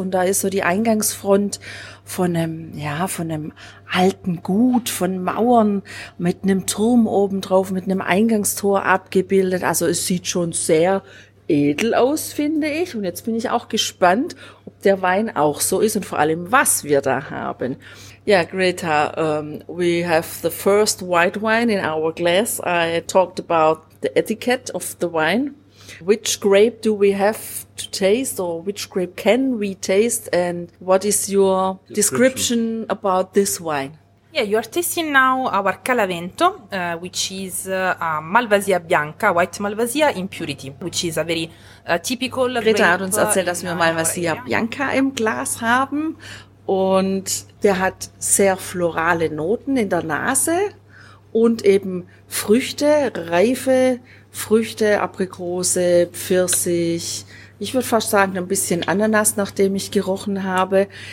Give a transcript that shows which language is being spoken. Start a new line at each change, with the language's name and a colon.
German: Und da ist so die Eingangsfront von einem alten Gut, von Mauern mit einem Turm obendrauf, mit einem Eingangstor abgebildet. Also es sieht schon sehr edel aus, finde ich. Und jetzt bin ich auch gespannt, ob der Wein auch so ist und vor allem, was wir da haben.
English: Yeah, Greta, we have the first white wine in our glass. I talked about the etiquette of the wine. Which grape do we have to taste, or which grape can we taste, and what is your description about this wine? Yeah, you are tasting now our Calavento, which is a Malvasia Bianca, white Malvasia impurity, which is a very typical grape.
German: Greta hat uns erzählt, dass wir Malvasia Bianca im Glas haben und der hat sehr florale Noten in der Nase und eben Früchte, reife Früchte, Aprikose, Pfirsich. Ich würde fast sagen, ein bisschen Ananas, nachdem ich gerochen habe.